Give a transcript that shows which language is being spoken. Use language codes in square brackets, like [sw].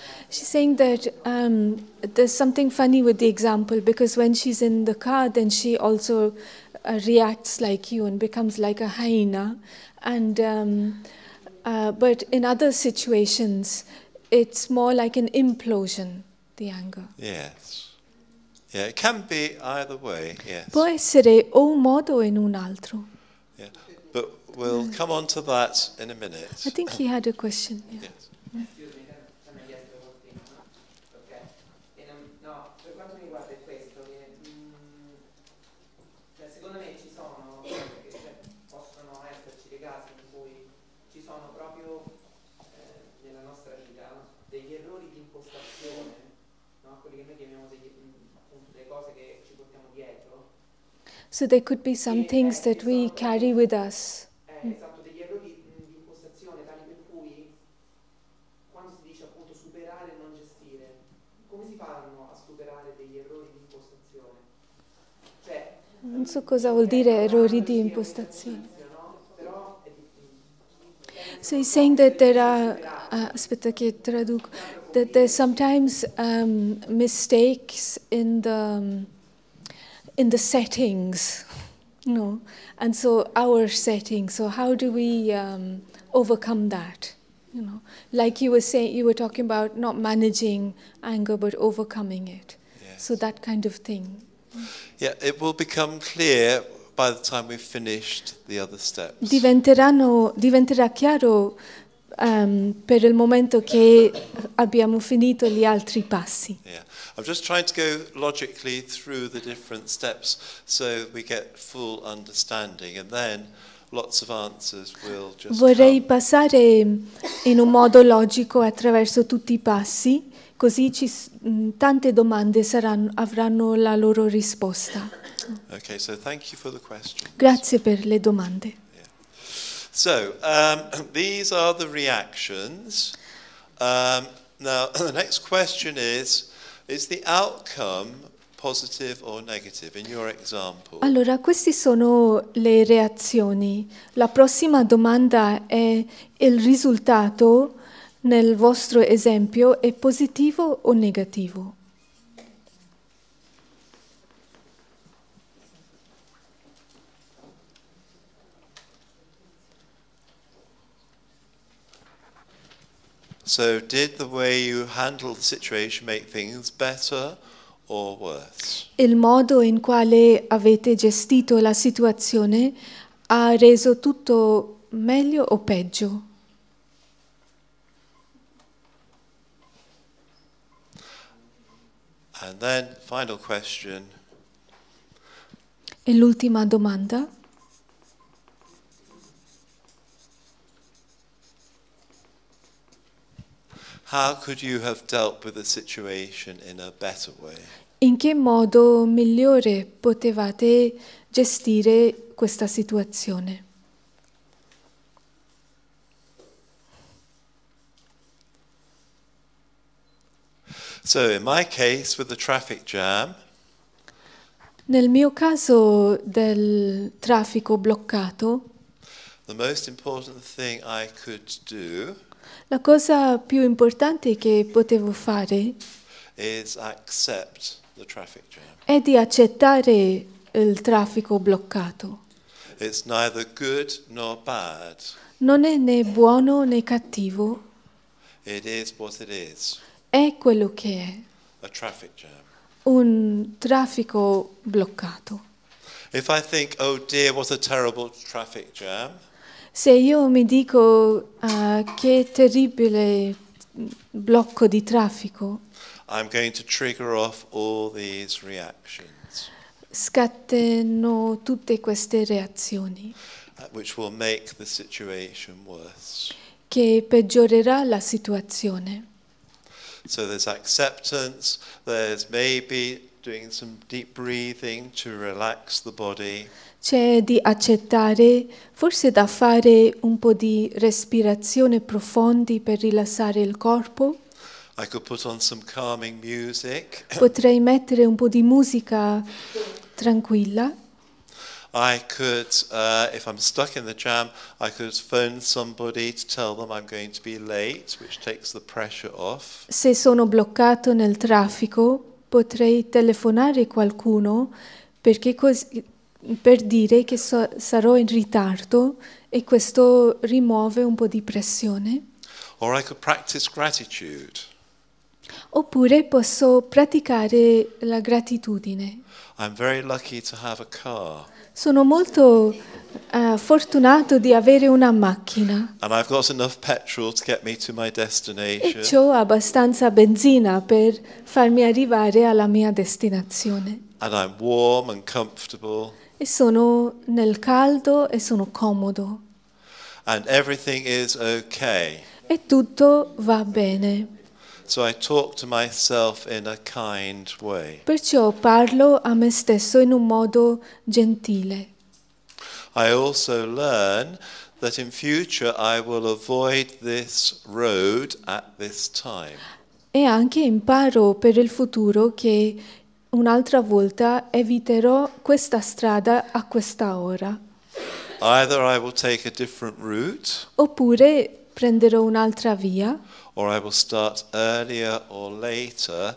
[en] She's saying that there's something funny with the example because when she's in the car, then she also reacts like you and becomes like a hyena. And But in other situations, it's more like an implosion, the anger. Yes. Yeah, it can be either way, yes. [it] Può essere o un modo o in un altro. [en] Yeah. But we'll come on to that in a minute. I think he had a question. Yeah. Yes. So there could be some things that we carry with us. [it] Esatto, degli errori di impostazione tali per cui quando si dice appunto superare e non gestire, come si fanno a superare degli errori di impostazione? Cioè, non so cosa vuol dire errori di impostazione. [en] So he's saying that there are, [it] aspetta che traduco, [en] that there's sometimes mistakes in the settings, no? And so our settings, so how do we overcome that? You know, like you were saying, you were talking about not managing anger, but overcoming it. Yes. So that kind of thing. Yeah, it will become clear by the time we've finished the other steps. [it] Diventerà chiaro per il momento che abbiamo finito gli altri passi. [en] Yeah. I'm just trying to go logically through the different steps so we get full understanding and then lots of answers will just [it] Vorrei [en] come. [it] Passare in un modo logico attraverso tutti i passi, così tante domande avranno la loro risposta. [en] Okay, so thank you for the question. [it] Grazie per le domande. [en] So, these are the reactions. Now, the next question is the outcome positive or negative, in your example? [it] Allora, queste sono le reazioni. La prossima domanda è il risultato, nel vostro esempio, è positivo o negativo? [en] So, did the way you handled the situation make things better or worse? [it] Il modo in quale avete gestito la situazione ha reso tutto meglio o peggio? [en] And then, final question. [it] E l'ultima domanda. [en] How could you have dealt with the situation in a better way? [it] In che modo migliore potevate gestire questa situazione? [en] So, in my case with the traffic jam. [it] Nel mio caso del traffico bloccato. [en] The most important thing I could do. [it] La cosa più importante che potevo fare [en] is accept the traffic jam. [it] È di accettare il traffico bloccato. [en] It's neither good nor bad. [it] Non è né buono né cattivo. [en] It is what it is. [it] È quello che è. [en] A traffic jam. [it] Un traffico bloccato. [en] If I think, oh dear, what a terrible traffic jam. [it] Se io mi dico che terribile blocco di traffico, [en] I'm going to trigger off all these reactions. [it] Scateno tutte queste reazioni, [en] which will make the situation worse. [it] Che peggiorerà la situazione. [en] So there's acceptance, there's maybe doing some deep breathing to relax the body. [it] C'è di accettare, forse da fare un po' di respirazione profondi per rilassare il corpo. [en] I could put on some calming music. [it] Potrei mettere un po' di musica tranquilla. [en] I could, if I'm stuck in the jam, I could phone somebody to tell them I'm going to be late, which takes the pressure off. [it] Se sono bloccato nel traffico, potrei telefonare qualcuno perché così per dire che sarò in ritardo e questo rimuove un po' di pressione. [en] Or I could practice gratitude. [it] Oppure posso praticare la gratitudine. [en] I'm very lucky to have a car. [it] Sono molto fortunato di avere una macchina. [en] And I've got enough petrol to get me to my destination. [it] E c'ho abbastanza benzina per farmi arrivare alla mia destinazione. [en] And I'm warm and comfortable. [it] E sono nel caldo e sono comodo. [en] And everything is okay. [it] E tutto va bene. [en] So I talk to myself in a kind way. [it] Perciò parlo a me stesso in un modo gentile. [en] I also learn that in future I will avoid this road at this time. [it] E anche imparo per il futuro che un'altra volta eviterò questa strada a questa ora. [en] Either I will take a different route. [it] Oppure prenderò un'altra via. [en] Or I will start earlier or later.